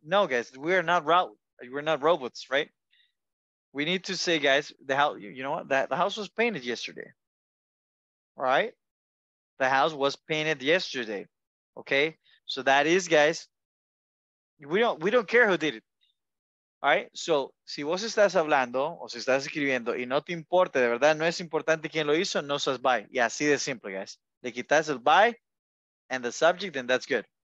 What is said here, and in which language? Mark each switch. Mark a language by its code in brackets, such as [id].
[en] No, guys, we're not robots, right? We need to say, guys, the house, you know what? The house was painted yesterday. Right? The house was painted yesterday. Okay? So that is, guys, we don't care who did it. [es] All right, so si vos estás hablando o si estás escribiendo y no te importa, de verdad, no es importante quién lo hizo, no seas by. Y así de simple, guys. Le quitas el [en] by and the subject, and that's good.